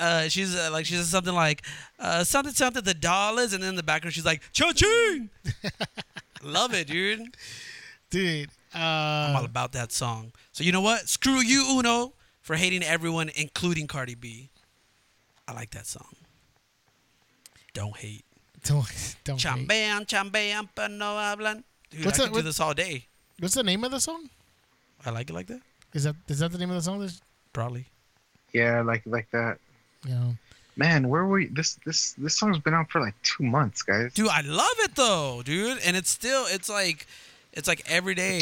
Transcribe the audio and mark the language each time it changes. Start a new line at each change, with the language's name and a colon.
English: She says something like, something the dollars, and then in the background she's like, cha-ching. Love it, dude. Dude, I'm all about that song. So you know what? Screw you, Uno, for hating everyone, including Cardi B. I like that song. Don't hate. Don't
Spanish: chambean, chambean, pero no hablan.
English: Dude, I could do this all day. What's the name of the song? I Like It Like That. Is that the name of the song? Probably. Yeah, I Like It Like That. Yeah. Man, where were you? This song's been out for like 2 months, guys. Dude, I love it though, dude. And it's like every day.